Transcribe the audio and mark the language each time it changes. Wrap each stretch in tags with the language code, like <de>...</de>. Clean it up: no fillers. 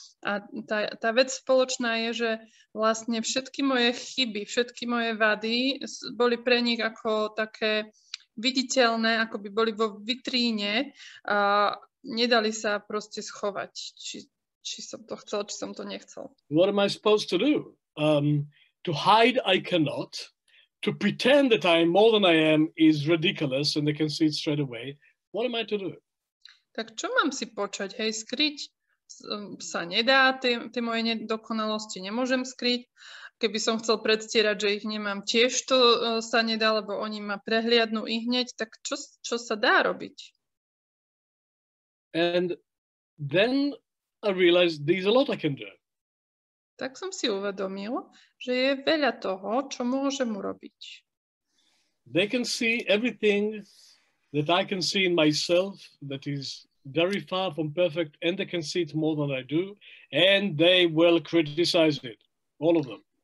<sk>A tá vec spoločná je, že vlastne všetky moje chyby, všetky moje vady boli pre nich ako také viditeľné, ako by boli vo vitríne a nedali sa proste schovať, či som to chcel, či som to nechcel.</sk> <en>What am I supposed to do? To hide I cannot. To pretend that I am more than I am is ridiculous and they can see it straight away. What am I to do?</en> <sk>Tak čo mám si počať? Hej, skryť sa nedá, tie moje nedokonalosti nemôžem skryť. Keby som chcel predstierať, že ich nemám, tiež to sa nedá, lebo oni ma prehliadnú i hneď. Tak čo sa dá robiť?</sk> <en>And then I realized there's a lot I can do.</en> <sk>Tak som si uvedomil, že je veľa toho, čo môžem urobiť.</sk> <en>They can see everything that I can see in myself that is very far from perfect, and they can see it more than I do, and they will criticize it, all of them.</en>